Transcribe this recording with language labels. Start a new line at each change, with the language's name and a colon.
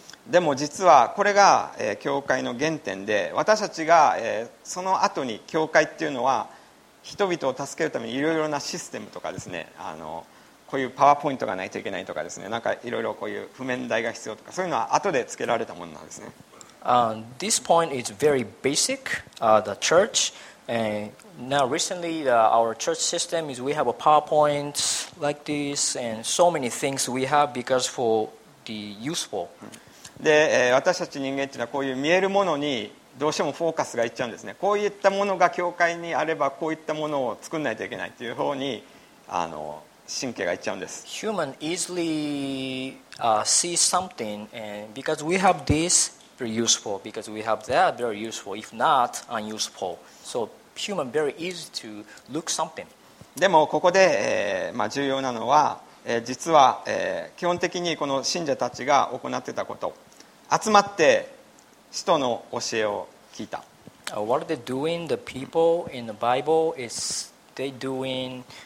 Japanese: でも実はこれが、教会の原点で、私たちが、その後に教会っていうのは人々を助けるためにいろいろなシステムとかですね、あのこういうパワーポイントがないといけないとかですね、なんかいろいろこういう譜面台が必要とか、そういうのは後でつけられたものなんですね。
English: This point is very basic. The church and now recently our church system is we have a PowerPoint like this and so many things we have because for the useful.
Japanese: で、私たち人間というのはこういう見えるものにどうしてもフォーカスがいっちゃうんですね。こういったものが教会にあればこういったものを作らないといけないという方にあの神経がいっちゃうんです。
English: Human easily see something and because we have this very useful, because we have that very useful, if not unuseful. So,Human, very easy to look something.
Japanese: でもここで、まあ、重要なのは、実は、基本的にこの信者たちが行ってたこと、集まって使徒の教えを聞いた。
English: What they doing the people in the Bible is they doing